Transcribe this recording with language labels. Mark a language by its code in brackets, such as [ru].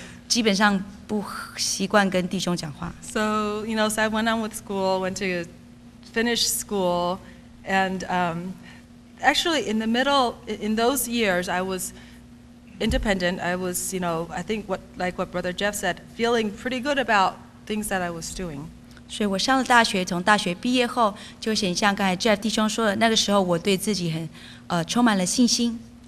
[zh] 那我本身又没有任何的哥哥或弟弟，所以我基本上不习惯跟弟兄讲话。 [en] So, you know, so I went on with school, went to finish school, and actually in the middle, in those years, I was independent. I was, you know, I think what Brother Jeff said, feeling pretty good about things that I was doing. [zh] 所以我上了大学，从大学毕业后，就像刚才Jeff弟兄说的，那个时候我对自己很充满了信心。